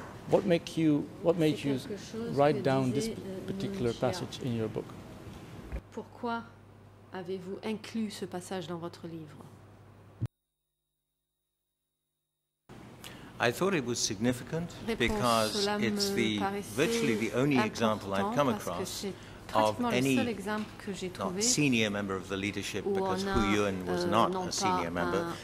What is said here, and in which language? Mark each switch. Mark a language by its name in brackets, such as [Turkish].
[English] What, make you, what made you write down this particular passage in your book? [French] Pourquoi avez-vous inclus ce passage dans votre livre? [English] I thought it was significant because it's the virtually the only example I've come across of any senior member of the leadership, because Hu Yun was not a senior member,